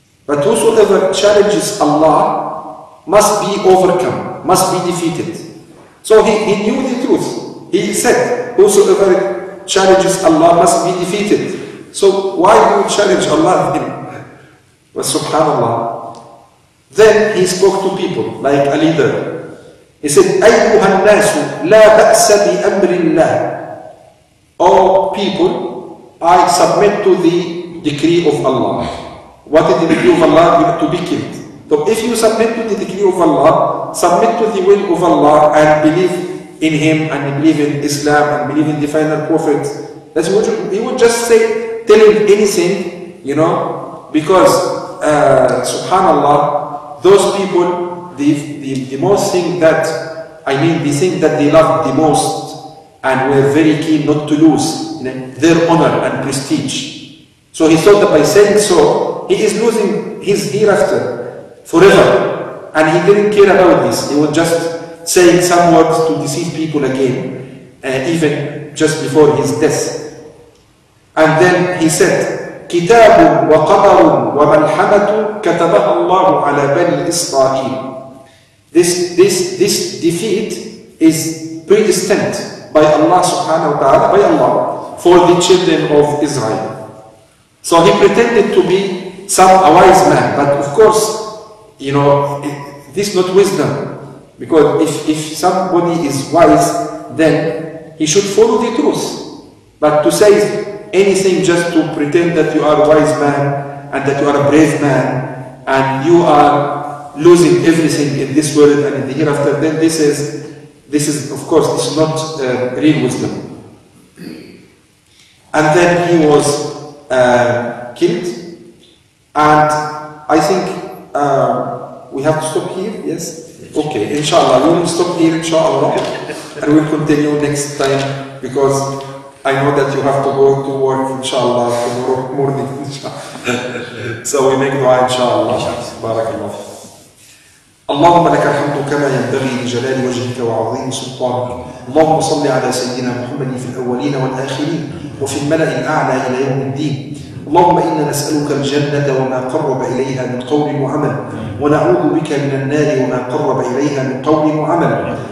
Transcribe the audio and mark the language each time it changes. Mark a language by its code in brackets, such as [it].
[en] But whosoever challenges Allah must be overcome, must be defeated. So he knew the truth. He said, whosoever challenges Allah must be defeated. So why do you challenge Allah then? But subhanAllah. Then he spoke to people like a leader. He said, [ar] أيها الناس لا بأس بأمر الله. [en] Oh people, I submit to the decree of Allah. What is the decree of Allah? You have to be killed. So if you submit to the decree of Allah, submit to the will of Allah and believe in Him and believe in Islam and believe in the final prophet, that's what you, he would just say, tell him anything, you know, because subhanAllah, those people, the most thing that, I mean, the thing that they loved the most and were very keen not to lose, you know, their honor and prestige. So he thought that by saying so, he is losing his hereafter forever. And he didn't care about this. He was just saying some words to deceive people again, even just before his death. And then he said, [ar] كتاب وقدر وملحمة كتبها الله على بني إسرائيل. [en] This defeat is predestined by Allah subhanahu wa ta'ala, by Allah, for the children of Israel. So he pretended to be a wise man, but of course, you know, this is not wisdom. Because if somebody is wise, then he should follow the truth. But to say anything just to pretend that you are a wise man and that you are a brave man and you are losing everything in this world and in the hereafter, then this is of course, it's not real wisdom. And then he was killed. And I think we have to stop here, yes? Okay, inshallah, we will stop here inshallah and we'll continue next time because I know that you have to go to work inshallah tomorrow morning inshallah. So we make dua inshallah. Barakallah. [ar] اللهم لك الحمد كما ينبغي لجلال وجهك وعظيم سلطانك. اللهم صل على سيدنا محمد في الأولين والآخرين وفي الملأ الأعلى إلى يوم الدين. اللهم إنا نسألك الجنة وما قرب إليها من قول وعمل، ونعوذ بك من النار وما قرب إليها من قول وعمل.